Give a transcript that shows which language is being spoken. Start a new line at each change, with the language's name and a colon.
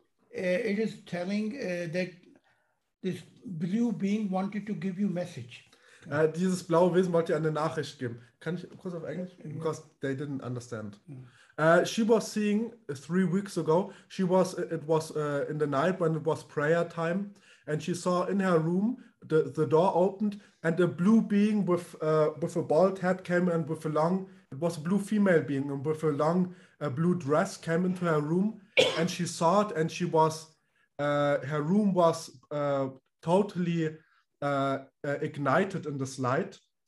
English: It is telling that this blue being wanted to give you a message.
German: Dieses blaue Wesen wollte ihr eine Nachricht geben. Kann ich kurz auf Englisch? Mm-hmm.
English: Because they didn't understand.
German: Mm.
English: She was seeing 3 weeks ago, it was in the night when it was prayer time, and she saw in her room, the door opened, and a blue being with a bald head came in with a long, it was a blue female being, and with a long blue dress came into her room, and she saw it, and she was, her room was totally ignited in this light.